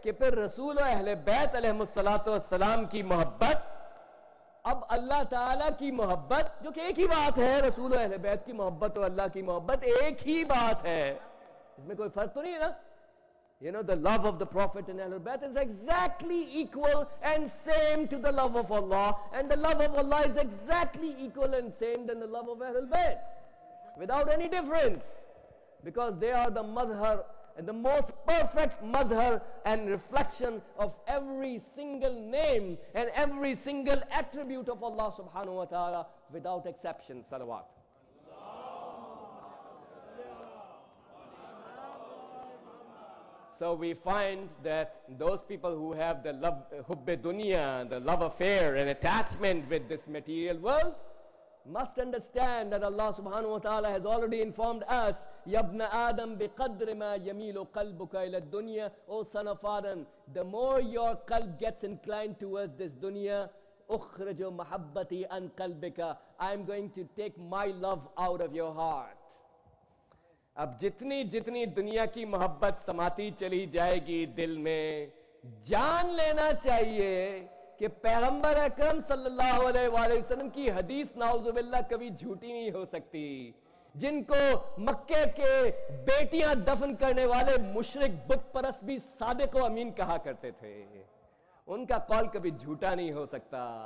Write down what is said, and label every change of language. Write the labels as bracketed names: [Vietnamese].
[Urdu] کہ پھر رسول و اہل بیت علیہ السلام کی محبت اب اللہ تعالیٰ کی محبت, جو کہ ایک ہی بات ہے, رسول و اہل بیت کی محبت اور اللہ کی محبت ایک ہی بات ہے, اس میں کوئی فرق تو نہیں ہے نا. [English] You know, the love of the Prophet and Ahlul Bayt is exactly equal and same to the love of Allah, and the love of Allah is exactly equal and same than the love of Ahlul Bayt, without any difference, because they are the mazhar and the most perfect mazhar and reflection of every single name and every single attribute of Allah subhanahu wa ta'ala without exception. Salawat. So we find that those people who have the love, hubbe dunya, the love affair and attachment with this material world, must understand that Allah subhanahu wa ta'ala has already informed us, [Arabic] yabna adam biqadri ma yamilu qalbuka ila dunya, [English] O son of Adam, the more your qalb gets inclined towards this dunya, [Arabic] ukhrijo mahabbati an qalbika, [English] I'm going to take my love out of your heart. [Urdu] اب جتنی جتنی دنیا کی محبت سماتی چلی جائے گی دل میں, جان لینا چاہیے کہ پیغمبر اکرم صلی اللہ علیہ وآلہ وسلم کی حدیث نعوذ باللہ کبھی جھوٹی نہیں ہو سکتی. جن کو مکے کے بیٹیاں دفن کرنے والے مشرک بت پرست بھی صادق و امین کہا کرتے تھے, ان کا قول کبھی جھوٹا نہیں ہو سکتا.